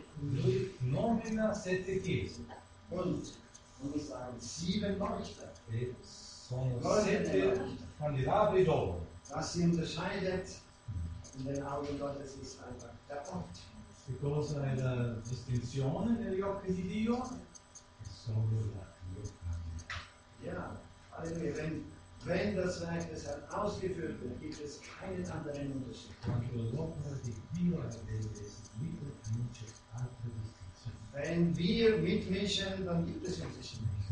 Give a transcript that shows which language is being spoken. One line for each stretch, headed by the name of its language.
Italian: Lui nomina sette chiese.
German: Und es waren sieben Leuchter.
Italian: E sono sette candelabri d'oro.
German: Was sie unterscheidet in den Augen Gottes ist einfach der Ort.
Italian: Che cosa è la distinzione negli occhi di Dio? È solo la candelabra.
German: Ja, allora, wenn das Werk des Herrn ausgeführt wird, gibt es keinen anderen Unterschied.
Italian: Quando l'opera di Dio è eseguita, non c'è.
German: Wenn wir mitmischen, dann gibt es Unterschiede.